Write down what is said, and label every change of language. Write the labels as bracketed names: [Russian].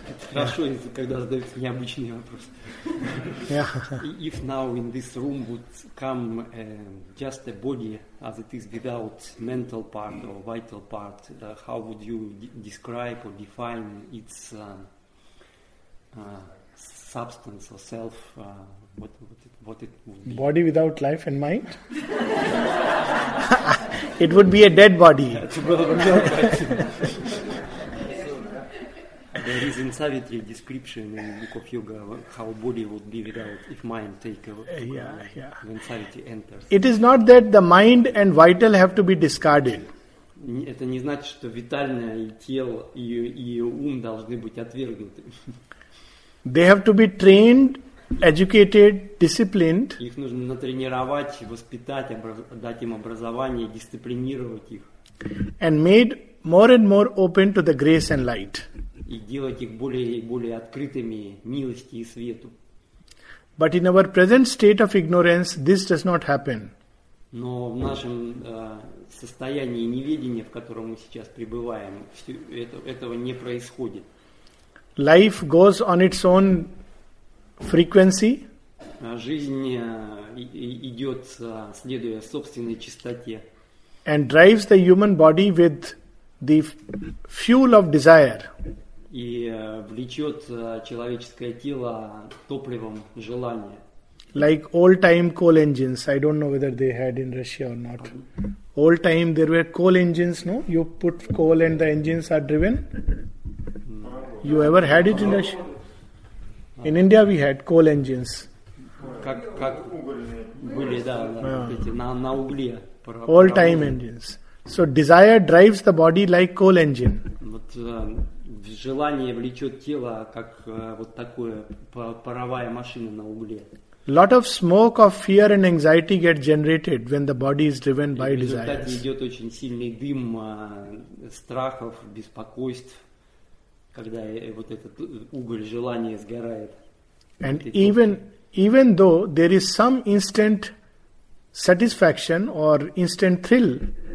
[Russian] Хорошо, когда задаются необычные вопросы. [English] If now in this room would come just a body as it is without mental part or vital part, how would you describe or define its substance or self? What it would be? Body without life and mind? It would be a dead body. There is in Savitri description in the book of yoga how body would be without if mind take over when Savitri enters. It is not that the mind and vital have to be discarded. [Russian] Это не значит, что витальное и тело и ум должны быть отвергнуты. [English] They have to be trained, educated, disciplined. [Russian] Их нужно натренировать, воспитать, дать им образование, дисциплинировать их. [English] And made more and more open to the grace and light. [Russian] И делать их более и более открытыми милости и свету. [English] But in our present state of ignorance, this does not happen. [Russian] Но в нашем состоянии неведения, в котором мы сейчас пребываем, этого не происходит. [English] Life goes on its own frequency. [Russian] Жизнь идет следуя собственной частоте. [English] And drives the human body with the fuel of desire. [Russian] И влечет человеческое тело топливом желания. [English] Like old time coal engines, I don't know whether they had in Russia or not. Old time there were coal engines, no? You put coal and the engines are driven. You ever had it in Russia? In India we had coal engines. [Russian] Как были, да, эти на угле. [English] Old time engines. So desire drives the body like coal engine. [Russian] Желание влечет тело, как вот такое паровая машина на угле. [English] Lot of smoke of fear and anxiety get generated when the body is driven by desires. [Russian] В результате идет очень сильный дым страхов, беспокойств, когда вот этот уголь желания сгорает. [English] And even though there is some instant satisfaction or instant thrill.